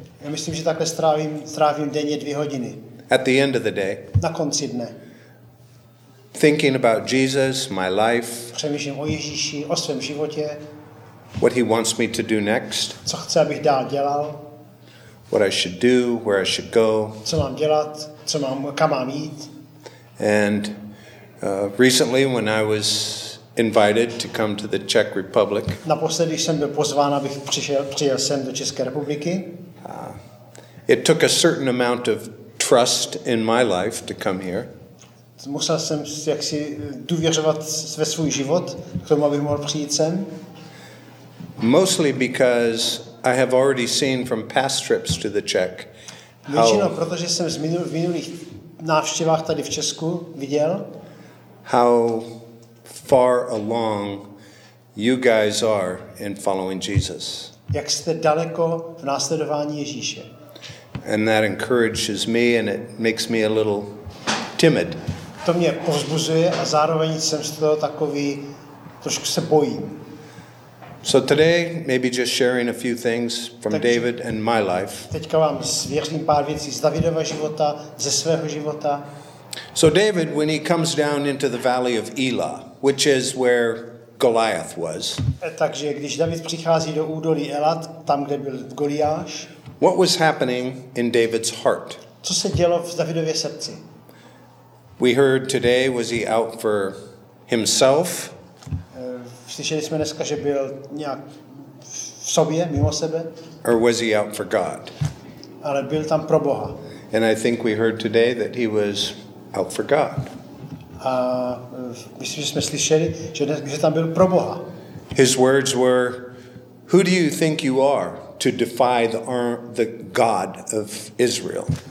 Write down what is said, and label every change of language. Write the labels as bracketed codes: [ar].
[cs] Já myslím, že takhle strávím denně 2 hodiny. [en] At the end of the day. [cs] Na konci dne. [en] Thinking about Jesus, my life. [cs] Přemýšlím o Ježíši, o svém životě. [en] What he wants me to do next. [cs] Co chce, abych dál dělal. [en] What I should do, where I should go. [cs] Co mám dělat, kam mám jít. [en] And recently when I was invited to come to the Czech Republic. [cs] Naposledy jsem byl pozván, abych přijel sem do České republiky. [en] It took a certain amount of trust in my life to come here. [cs] Musel jsem jaksi důvěřovat ve svůj život, k tomu, abych mohl přijít sem. [en] Mostly because I have already seen from past trips to the Czech. [cs] Většinou, protože jsem v minulých návštěvách tady v Česku viděl, [en] how far along you guys are in following Jesus. [cs] Jak jste daleko v následování Ježíše. [en] And that encourages me and it makes me a little timid. [cs] To mě povzbuzuje a zároveň jsem z toho takový, trošku se bojím. [en] So today, maybe just sharing a few things from [cs] takže [en] David and my life. [cs] Teďka vám svěřím pár věcí z Davidova života, ze svého života. [en] So David, when he comes down into the valley of Elah, which is where Goliath was. [cs] Takže když David přichází do údolí Elat, tam kde byl Goliáš. [en] What was happening in David's heart? [cs] Co se dělo v Davidově srdci? [en] We heard today, was he out for himself? [cs] Slyšeli jsme dneska, že byl nějak v sobě, mimo sebe. [en] Or was he out for God? [cs] Ale byl tam pro Boha. [en] And I think we heard today that he was out for God. [cs] A myslím, že jsme slyšeli, že tam byl pro Boha. [en] His words were, "Who do you think you are to defy the God of Israel?"